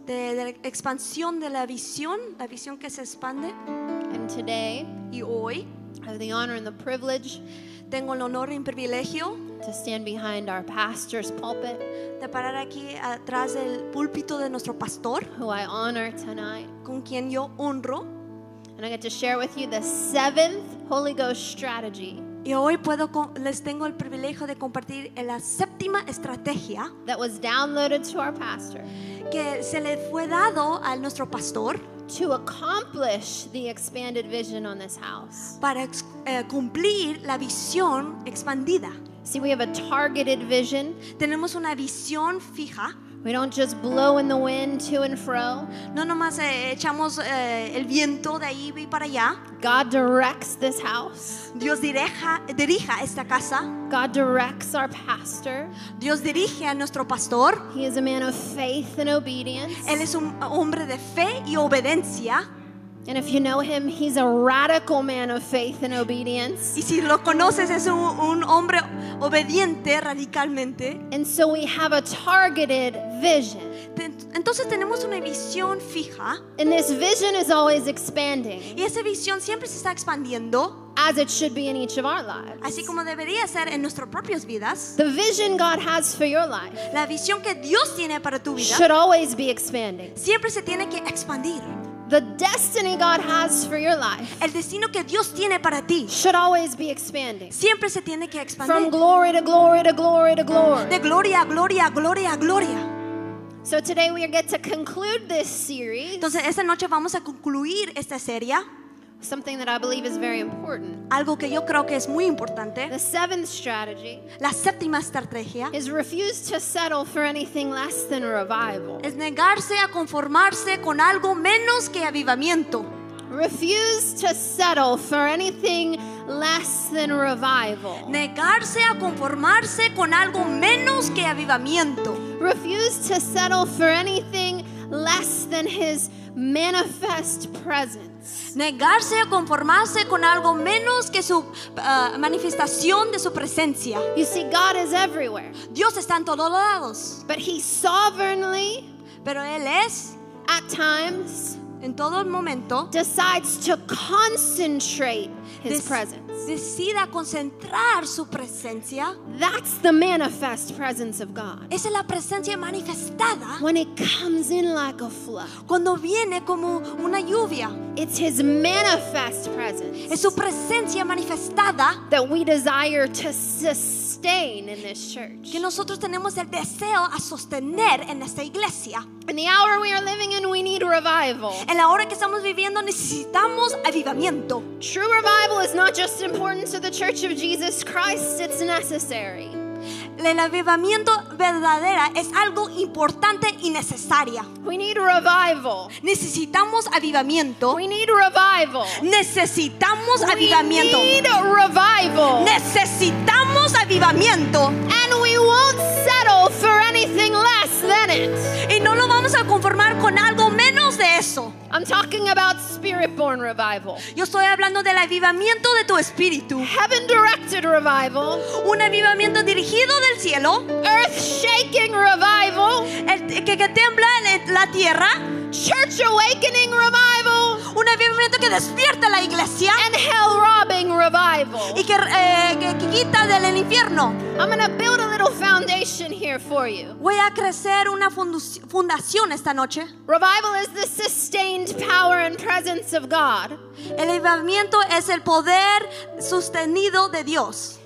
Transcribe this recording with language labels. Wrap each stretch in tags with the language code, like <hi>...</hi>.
<es>De la expansión de la visión que se expande.</es> <en>And today,</en> <es>y hoy,</es> <en>I have the honor and the privilege.</en> <es>Tengo el honor y el privilegio.</es> <en>To stand behind our pastor's pulpit.</en> <es>De parar aquí atrás del púlpito de nuestro pastor.</es> <en>Who I honor tonight.</en> <es>Con quien yo honro.</es> <en>And I get to share with you the seventh Holy Ghost strategy.</en> <es>Y hoy puedo les tengo el privilegio de compartir la séptima estrategia</es> <en>that was downloaded to our pastor</en> <es>que se le fue dado a nuestro pastor</es> <en>to accomplish the expanded vision on this house.</en> <es>Para cumplir la visión expandida.</es> <en>See, we have a targeted vision.</en> <es>Tenemos una visión fija.</es> <en>We don't just blow in the wind to and fro.</en> <es>No nomás echamos el viento de ahí y para allá.</es> <en>God directs this house.</en> <es>Dios dirija esta casa.</es> <en>God directs our pastor.</en> <es>Dios dirige a nuestro pastor.</es> <en>He is a man of faith and obedience.</en> <es>Él es un hombre de fe y obediencia.</es> <en>And if you know him, he's a radical man of faith and obedience.</en> <es>Y si lo conoces, es un hombre obediente radicalmente.</es> <en>And so we have a targeted vision.</en> <es>Entonces tenemos una visión fija.</es> <en>And this vision is always expanding.</en> <es>Y esa visión siempre se está expandiendo.</es> <en>As it should be in each of our lives.</en> <es>Así como debería ser en nuestras propias vidas.</es> <en>The vision God has for your life.</en> <es>La visión que Dios tiene para tu vida.</es> <en>Should always be expanding.</en> <es>Siempre se tiene que expandir.</es> <en>The destiny God has for your life.</en> <es>El destino que Dios tiene para ti.</es> <en>Should always be expanding.</en> <es>Siempre se tiene que expandir.</es> <en>From glory to glory to glory to glory.</en> <es>De gloria a gloria, gloria a gloria.</es> <en>So today we get to conclude this series.</en> <es>Entonces esta noche vamos a concluir esta serie.</es> <en>Something that I believe is very important.</en> <es>Algo que yo creo que es muy importante.</es> <en>The seventh strategy.</en> <es>La séptima estrategia.</es> <en>Is refuse to settle for anything less than revival.</en> <es>Es negarse a conformarse con algo menos que avivamiento.</es> <en>Refuse to settle for anything less than revival.</en> <es>Negarse a conformarse con algo menos que avivamiento.</es> <en>Refuse to settle for anything less than his manifest presence.</en> <es>Negarse a conformarse con algo menos que su manifestación de su presencia.</es> <en>You see, God is everywhere.</en> <es>Dios está en todos lados.</es> <en>But he sovereignly,</en> <es>pero él es,</es> <en>at times,</en> <es>en todo el momento,</es> <en>decides to concentrate his presence.</en> <es>Decida concentrar su presencia.</es> <en>That's the manifest presence of God.</en> <es>Esa es la presencia manifestada.</es> <en>When it comes in like a flood.</en> <es>Cuando viene como una lluvia.</es> <en>It's his manifest presence.</en> <es>Es su presencia manifestada.</es> <en>That we desire to sustain in this church.</en> <es>Que nosotros tenemos el deseo a sostener en esta iglesia.</es> <en>In the hour we are living in, we need revival.</en> <es>En la hora que estamos viviendo, necesitamos avivamiento.</es> <en>True revival is not just important to the Church of Jesus Christ, it's necessary.</en> <es>El avivamiento verdadera es algo importante y necesaria.</es> <en>We need revival.</en> <es>Necesitamos avivamiento.</es> <en>We need revival.</en> <es>Necesitamos avivamiento.</es> <en>We need revival.</en> <es>Necesitamos avivamiento.</es> <en>And we won't settle for anything less than it.</en> <es>Y no lo vamos a conformar con algo menos de eso.</es> <en>I'm talking about spirit-born revival.</en> <es>Yo estoy hablando del avivamiento de tu espíritu.</es> <en>Heaven-directed revival.</en> <es>Un avivamiento dirigido del cielo.</es> <en>Earth-shaking revival.</en> <es>El que tiembla la tierra.</es> <en>Church-awakening revival.</en> <es>Un avivamiento que despierta la iglesia.</es> <en>And hell-robbing revival.</en> <es>Y que quita del infierno.</es> <en>I'm gonna build a little foundation here for you.</en> <es>Voy a crecer una fundación esta noche.</es> <en>Revival is the sustained power and presence of God.</en> <es>El avivamiento es el poder sostenido de Dios.</es>